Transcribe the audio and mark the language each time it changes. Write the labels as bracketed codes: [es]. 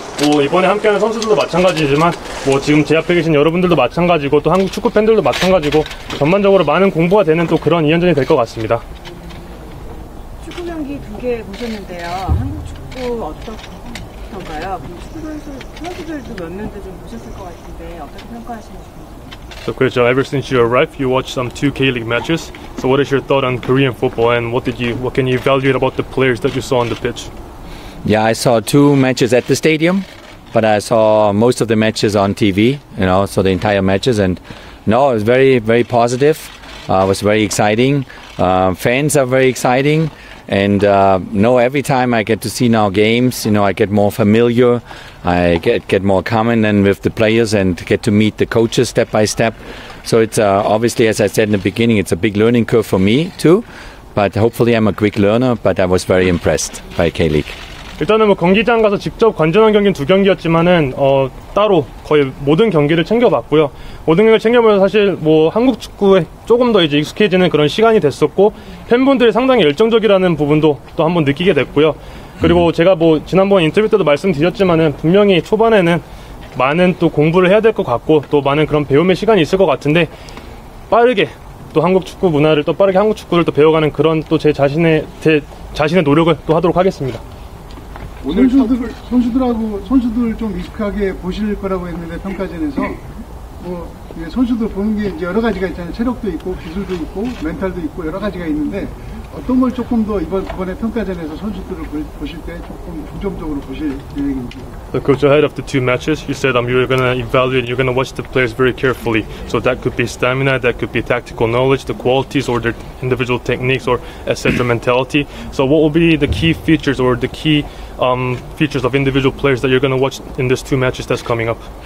[ko] 뭐 이번에 함께하는 선수들도 마찬가지지만 뭐 지금 제 앞에 계신 여러분들도 마찬가지고 또 한국 축구 팬들도 마찬가지고 전반적으로 많은 공부가 되는 또 그런 2연전이 될 것 같습니다. 축구 경기 두 개 보셨는데요. 한국 축구 어떤가요? 선수들도 몇 명도 좀 보셨을 것 같은데 어떻게 평가하시는지. [en] So, Chris, ever since you arrived, you watched some 2K League matches. So, what is your thought on Korean football and what can you evaluate about the players that you saw on the pitch? Yeah, I saw two matches at the stadium, but I saw most of the matches on TV, you know, so the entire matches. And no, it was very, very positive. It was very exciting. Fans are very exciting. And no, every time I get to see now games, you know, I get more familiar. I get more common then with the players and get to meet the coaches step by step. So it's obviously, as I said in the beginning, it's a big learning curve for me too. But hopefully I'm a quick learner, but I was very impressed by K-League. [ko] 일단은 뭐 경기장 가서 직접 관전한 경기는 두 경기였지만은 따로 거의 모든 경기를 챙겨봤고요. 모든 경기를 챙겨보면서 사실 뭐 한국 축구에 조금 더 이제 익숙해지는 그런 시간이 됐었고 팬분들이 상당히 열정적이라는 부분도 또 한번 느끼게 됐고요. 그리고 제가 뭐 지난번 인터뷰 때도 말씀드렸지만은 분명히 초반에는 많은 또 공부를 해야 될 것 같고 또 많은 그런 배움의 시간이 있을 것 같은데 빠르게 또 한국 축구 문화를 또 빠르게 한국 축구를 또 배워가는 그런 또 제 자신의 노력을 또 하도록 하겠습니다. 오늘 선수들 좀 익숙하게 보실 거라고 했는데 평가전에서 뭐 선수들 보는 게 이제 여러 가지가 있잖아요. 체력도 있고 기술도 있고 멘탈도 있고 여러 가지가 있는데 어떤 걸 조금 더 이번에 평가전에서 선수들을 보실 때 조금 중점적으로 보실 계획인지. [en] The coach ahead of the two matches, you said you're going to evaluate, you're going to watch the players very carefully. So that could be stamina, that could be tactical knowledge, the qualities or their individual techniques or etc. mentality. So what will be the key features or the key features of individual players that you're going to watch in these two matches that's coming up?